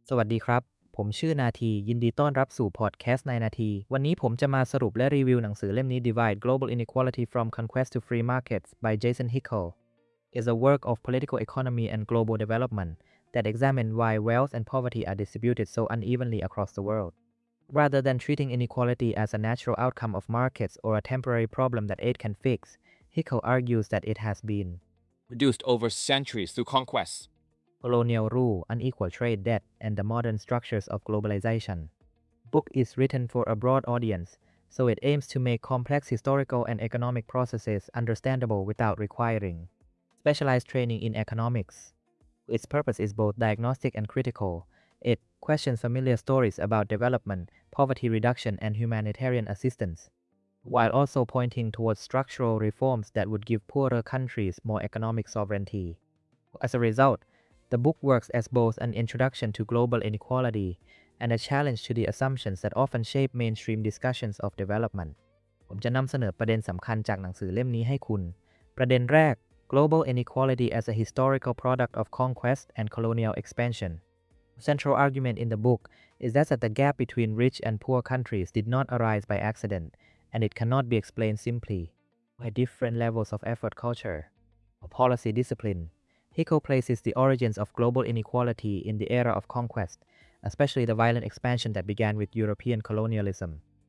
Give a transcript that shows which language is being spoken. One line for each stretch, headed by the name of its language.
Thai: สวัสดีครับผมชื่อนาทียินดีต้อนรับสู่พอดแคสต์ในนาทีวันนี้ผมจะมาสรุปและรีวิวหนังสือเล่มนี้
English: Divide Global Inequality from Conquest to Free Markets by Jason Hickel is a work of political economy and global development that examines why wealth and poverty are distributed so unevenly across the world. Rather than treating inequality as a natural outcome of markets or a temporary problem that aid can fix, Hickel argues that it has been reduced over centuries through conquests, colonial rule, unequal trade, debt, and the modern structures of globalization. Book is written for a broad audience, so it aims to make complex historical and economic processes understandable without requiring specialized training in economics. Its purpose is both diagnostic and critical. It questions familiar stories about development, poverty reduction, and humanitarian assistance, while also pointing towards structural reforms that would give poorer countries more economic sovereignty. As a result, the book works as both an introduction to global inequality and a challenge to the assumptions that often shape mainstream discussions of development.
Thai: ผมจะนำเสนอประเด็นสำคัญจากหนังสือเล่มนี้ให้คุณ ประเด็นแรก
English: Global inequality as a historical product of conquest and colonial expansion. Central argument in the book is that the gap between rich and poor countries did not arise by accident and it cannot be explained simply by different levels of effort culture or policy discipline. Hickel places the origins of global inequality in the era of conquest, especially the violent expansion that began with European colonialism.